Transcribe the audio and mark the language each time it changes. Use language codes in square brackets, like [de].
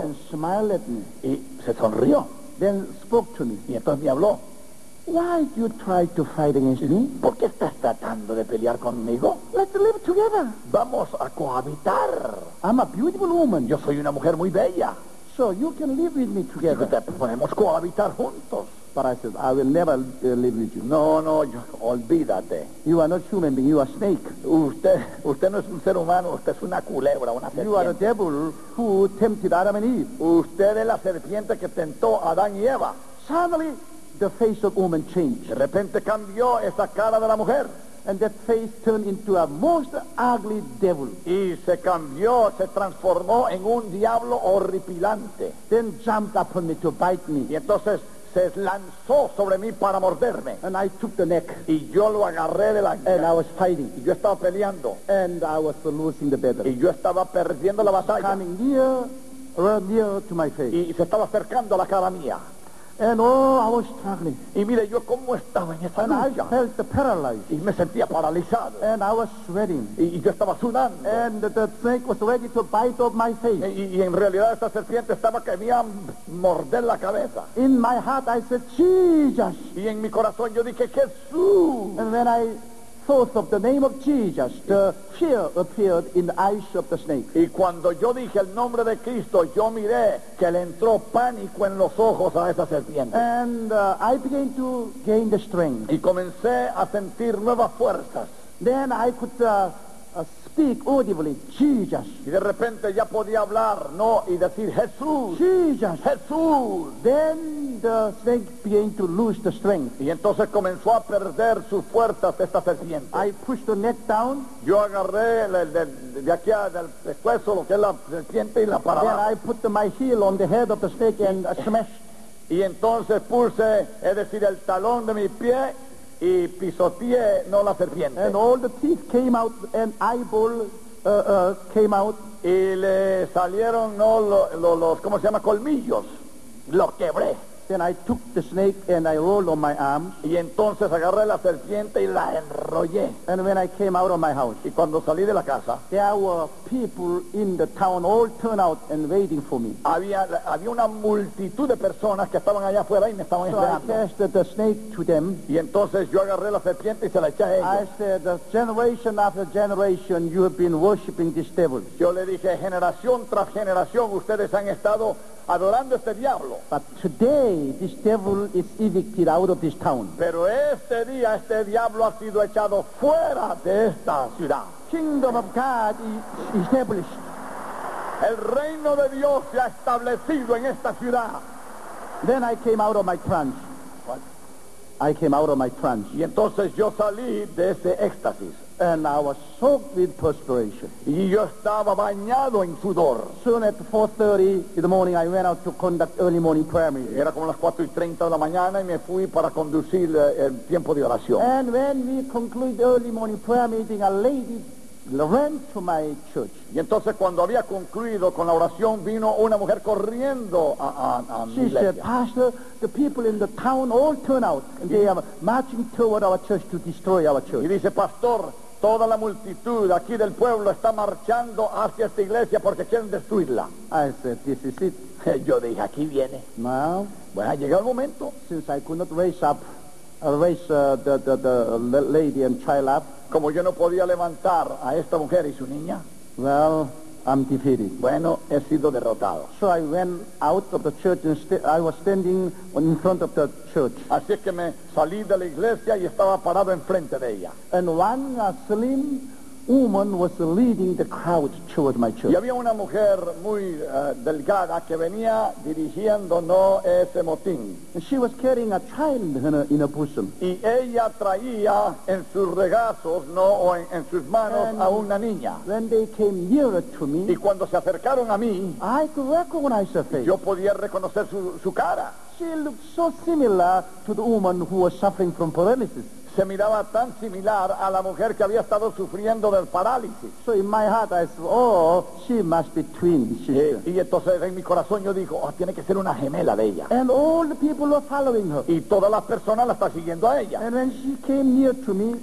[en] And smiled at me. [es] Y se sonrió. [en] Then spoke to me. [es] Y entonces me habló. [en] Why do you try to fight against me? [es] ¿Por qué estás tratando de pelear conmigo? [en] Let's live together. [es] Vamos a cohabitar. [en] I'm a beautiful woman. [es] Yo soy una mujer muy bella. [en] So you can live with me together. [es] Sí, podemos cohabitar juntos. [en] But I said, I will never live with you. [es] No, olvídate. [en] You are not human being, you are snake. [es] Usted no es un ser humano, usted es una culebra, una serpiente. [en] You are the devil who tempted Adam and Eve. [es] Usted es la serpiente que tentó a Adán y Eva. [en] Suddenly, the face of woman changed. [es] De repente cambió esa cara de la mujer. [en] And that face turned into a most ugly devil. [es] Y se cambió, se transformó en un diablo horripilante. [en] Then jumped upon me to bite me. [es] Y entonces se lanzó sobre mí para morderme. [en] And I took the neck. [es] Y yo lo agarré de la cara. [en] And I was fighting. [es] Y yo estaba peleando. [en] And I was losing the battle. [es] Y yo estaba perdiendo la batalla. [en] Coming near to my face. [es] Y se estaba acercando a la cara mía. [en] And oh, I was struggling. [es] Y mire yo cómo estaba en esa lucha. [en] And I felt paralyzed. [es] Y me sentía paralizado. [en] And I was sweating. [es] Y yo estaba sudando. [en] And the snake was ready to bite off my face. [es] Y en realidad esta serpiente estaba que me iba a morder la cabeza. [en] In my heart I said, Jesus. [es] Y en mi corazón yo dije, Jesús. [en] And when I thought of the name of Jesus, the fear appeared in the eyes of the snake. [es] Y cuando yo dije el nombre de Cristo, yo miré que le entró pánico en los ojos a esa serpiente. [en] And I began to gain the strength. [es] Y comencé a sentir nuevas fuerzas. [en] Then I could speak audibly, Jesus. [es] Y de repente ya podía hablar, ¿no? Y decir, Jesús. [en] Jesus. [es] Jesús. [en] Then the snake began to lose the strength. [es] Y entonces comenzó a perder sus fuerzas esta serpiente. [en] I pushed the neck down. [es] Yo agarré de aquí del pescuezo, lo que es la serpiente, y la paraba. [en] Then I put my heel on the head of the snake and smashed. [es] Y entonces puse, es decir, el talón de mi pie, y pisoteé, no la serpiente. [en] And all the teeth came out, and eyeball came out. [es] Y le salieron, no, los ¿cómo se llama? [en] Colmillos. Lo quebré. [es] Then I took the snake, and I rolled on my arms. [en] Y entonces agarré la serpiente y la enrollé. [es] And when I came out of my house. [en] Y cuando salí de la casa. [es] There were people in the town all turned out and waiting for me. [en] Había una multitud de personas que estaban allá afuera y me estaban [es] so [en] esperando. [es] So I passed the snake to them. [en] Y entonces yo agarré la serpiente y se la eché a ellos. [es] I said, generation after generation, you have been worshiping this devil. [en] Yo le dije, generación tras generación, ustedes han estado [es] adorando a este diablo. [en] But today, this devil is evicted out of this town. [es] Pero este día, este diablo ha sido echado fuera de esta ciudad. [en] Kingdom of God is established. [es] El reino de Dios se ha establecido en esta ciudad. [en] Then I came out of my trance. I came out of my trance. [es] Y entonces yo salí de ese éxtasis. [en] And I was soaked with perspiration. [es] Y yo estaba bañado en sudor. [en] Soon at 4:30 in the morning, I went out to conduct early morning prayer meeting. [es] Era como las 4:30 de la mañana y me fui para conducir el tiempo de oración. [en] And when we concluded early morning prayer meeting, a lady ran to my church. [es] Y entonces cuando había concluido con la oración, vino una mujer corriendo a mi iglesia. [en] She said, Pastor, the people in the town all turn out, and they are marching toward our church to destroy our church. [es] Y dice, Pastor, toda la multitud aquí del pueblo está marchando hacia esta iglesia porque quieren destruirla. [en] I said, this is it. [es] Yo dije, aquí viene. [en] Well, [es] bueno, llegó el momento. [en] Since I could not raise up, the lady and child up, [es] como yo no podía levantar a esta mujer y su niña, [en] well, I'm defeated. [es] Bueno, he sido derrotado. [en] So I went out of the church and I was standing in front of the church. [es] Así es que me salí de la iglesia y estaba parado enfrente de ella. [en] And one slim woman was leading the crowd toward my church. [es] Y había una mujer muy delgada que venía dirigiendo no ese motín. [en] And she was carrying a child in her bosom. [es] Y ella traía en sus regazos, no, o en sus manos, [en] and [es] a una niña. [en] When they came nearer to me, [es] y cuando se acercaron a mí, [en] I could recognize her face. [es] Yo podía reconocer su cara. [en] She looked so similar to the woman who was suffering from paralysis. [es] Se miraba tan similar a la mujer que había estado sufriendo del parálisis. [en] So in my heart I said, oh, she must be twin sister. [es] Y entonces en mi corazón yo dijo, oh, tiene que ser una gemela de ella. [en] And all the people were following her. [es] Y todas las personas la están siguiendo a ella. [en] And when she came near to me,